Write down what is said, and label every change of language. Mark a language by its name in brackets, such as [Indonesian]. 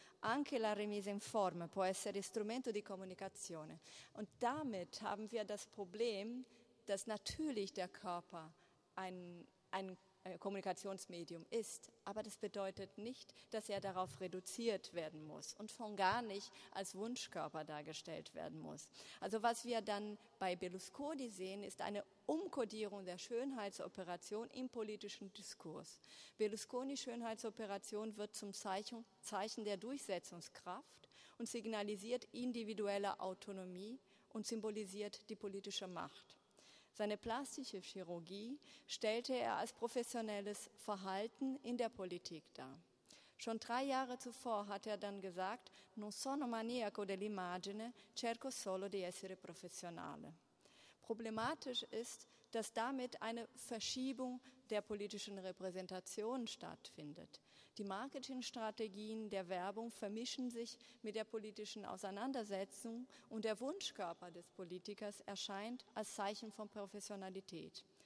[Italian] Anche la remise in forma può essere strumento di comunicazione. [German] Und damit haben wir das Problem, dass natürlich der Körper ein Kommunikationsmedium ist, aber das bedeutet nicht, dass er darauf reduziert werden muss und von gar nicht als Wunschkörper dargestellt werden muss. Also was wir dann bei Berlusconi sehen, ist eine Umkodierung der Schönheitsoperation im politischen Diskurs. Berlusconi Schönheitsoperation wird zum Zeichen der Durchsetzungskraft und signalisiert individuelle Autonomie und symbolisiert die politische Macht. Seine plastische Chirurgie stellte er als professionelles Verhalten in der Politik dar. Schon 3 Jahre zuvor hat er dann gesagt: [Italian] Non sono maniaco dell'immagine, cerco solo di essere professionale. [German] Problematisch ist, dass damit eine Verschiebung der politischen Repräsentation stattfindet. Die Marketingstrategien der Werbung vermischen sich mit der politischen Auseinandersetzung und der Wunschkörper des Politikers erscheint als Zeichen von Professionalität.